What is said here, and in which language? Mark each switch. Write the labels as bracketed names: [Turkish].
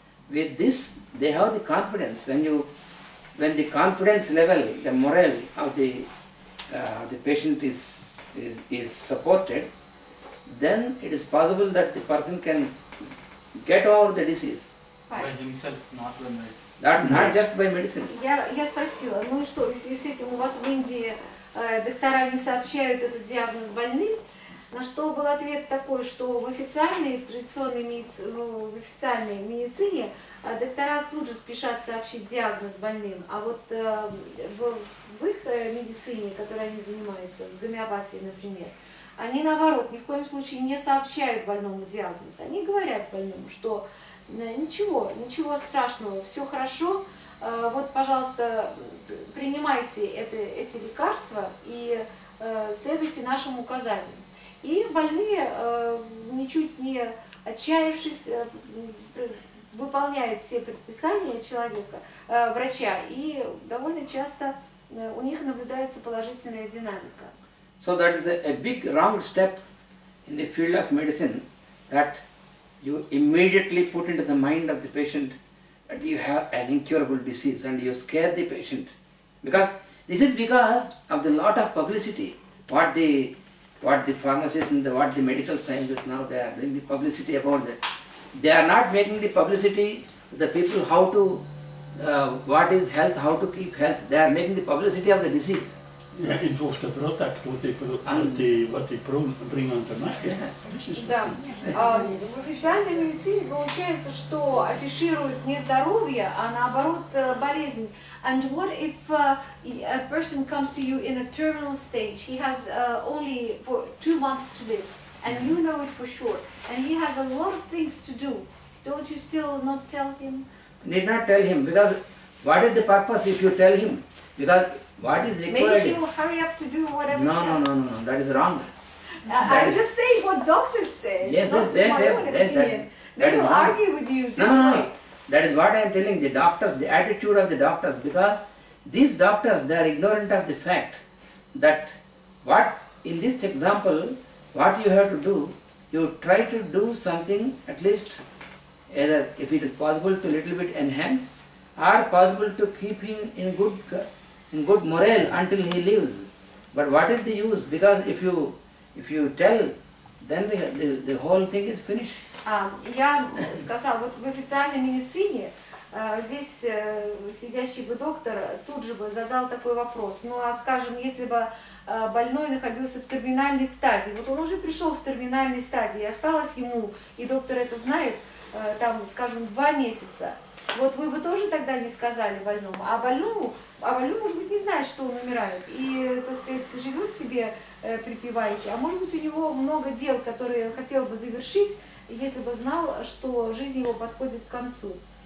[English] With this, they have the confidence. When the confidence level, the morale of the patient is is supported, then it is possible that the person can get over the disease. By himself, not by medicine. Not just by medicine. [Russian] Я спросила, ну и что, если с этим у вас в Индии доктора не сообщают этот диагноз больным, на что был ответ такой, что в официальной традиционной медицине, ну, в официальной медицине доктора тут же спешат сообщить диагноз больным, а вот в их медицине, которой они занимаются, в гомеопатии, например, они наоборот ни в коем случае не сообщают больному диагноз. Они говорят больному, что ничего, ничего страшного, все хорошо, вот, пожалуйста, принимайте эти лекарства и следуйте нашим указаниям. И больные, ничуть не отчаявшись, выполняют все предписания человека, врача, и довольно часто у них наблюдается положительная динамика. [English] So that is a big wrong step in the field of medicine, that you immediately put into the mind of the patient that you have an incurable disease and you scare the patient. Because this is because of the lot of publicity, what the pharmacists and what the medical scientists now, they are doing the publicity about that. They are not making the publicity of the people how to, what is health, how to keep health. They are making the publicity of the disease. Yeah, it was the product, what they bring on the market. Yes. [Russian] Да. В официальной медицине получается, что афишируют не здоровье, а наоборот болезнь. [English] And what if a person comes to you in a terminal stage, he has only for 2 months to live, and you know it for sure, and he has a lot of things to do, don't you still not tell him? Need not tell him, because what is the purpose if you tell him? Because what is required? Maybe he will hurry up to do whatever no, he has. No, that is wrong. Just saying what doctors say. Yes, that is wrong. That is what I am telling, the doctors, the attitude of the doctors, because these doctors, they are ignorant of the fact that what, in this example, what you have to do, you try to do something at least, either if it is possible to little bit enhance, or possible to keep him in good morale until he lives. But what is the use? Because if you tell, then the whole thing is finished. [Russian] Я сказал, вот в официальной медицине здесь сидящий бы доктор тут же бы задал такой вопрос. Ну а скажем, если бы больной находился в терминальной стадии, вот он уже пришел в терминальной стадии, и осталось ему, и доктор это знает, там, скажем, 2 месяца, вот вы бы тоже тогда не сказали больному, а больному, может быть, не знает, что он умирает, и, так сказать, живет себе припеваючи, а может быть, у него много дел, которые хотел бы завершить, если бы знал, что жизнь его подходит к концу.